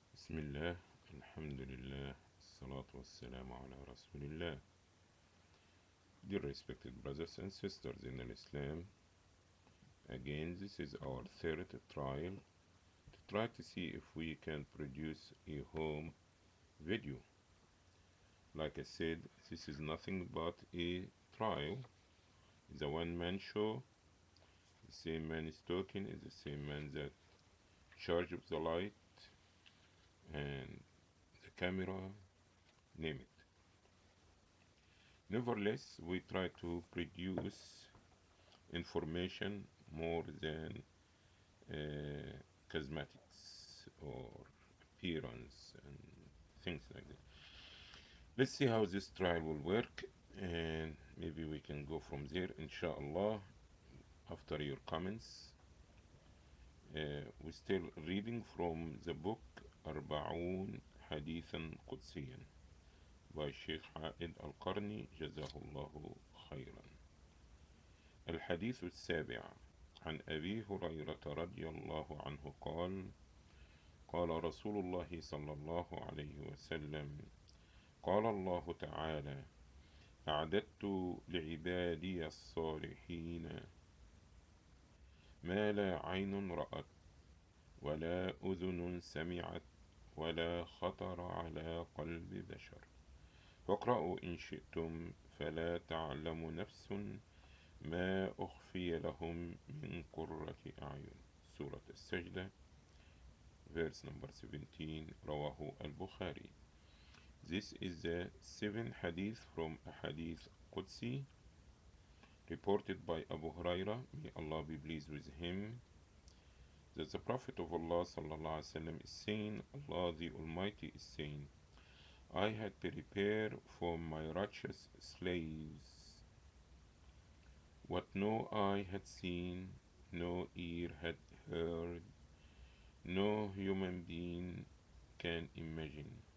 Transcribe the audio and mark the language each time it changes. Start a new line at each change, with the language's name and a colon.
Arabic: بسم الله، الحمد لله، الصلاة والسلام على رسول الله.
English: Dear respected brothers and sisters in Islam, again this is our third trial to try to see if we can produce a home video. Like I said, this is nothing but a trial. It's a one-man show. The same man is talking, is the same man that charge of the light and the camera, name it. Nevertheless, we try to produce information more than cosmetics or appearance and things like that. Let's see how this trial will work, and maybe we can go from there, inshallah, after your comments. We're still reading from the book 40 حديثا قدسيا by الشيخ حائد القرني جزاه الله خيرا.
Arabic: الحديث السابع عن أبي هريرة رضي الله عنه قال: قال رسول الله صلى الله عليه وسلم: قال الله تعالى: أعددت لعبادي الصالحين ما لا عين رأت ولا أذن سمعت ولا خطر على قلب بشر. فاقرأوا إن شئتم فلا تعلم نفس ما أخفي لهم من قرة أعين. سورة السجدة verse number 17 رواه البخاري.
English: This is the seventh hadith from a hadith Qudsi reported by Abu Huraira, may Allah be pleased with him, that the Prophet of Allah sallallahu alaihi wasallam is saying, Allah the Almighty is saying, I had prepared for my righteous slaves what no eye had seen, no ear had heard, no human being can imagine.